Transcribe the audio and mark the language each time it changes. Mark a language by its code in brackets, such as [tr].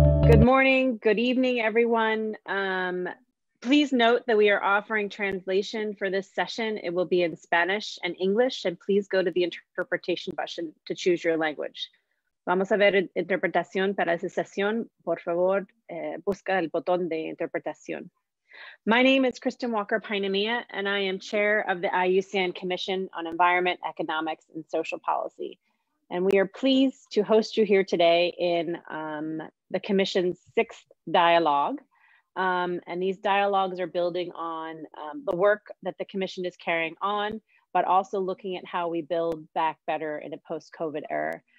[en] Good morning, good evening, everyone. Please note that we are offering translation for this session. It will be in Spanish and English, and please go to the interpretation button to choose your language. [es] Vamos a ver interpretación para esta sesión. Por favor, busca el botón de interpretación. [en] My name is Kristen Walker-Pinamia, and I am chair of the IUCN Commission on Environment, Economics, and Social Policy. And we are pleased to host you here today in the commission's sixth dialogue. And these dialogues are building on the work that the commission is carrying on, but also looking at how we build back better in a post-COVID era.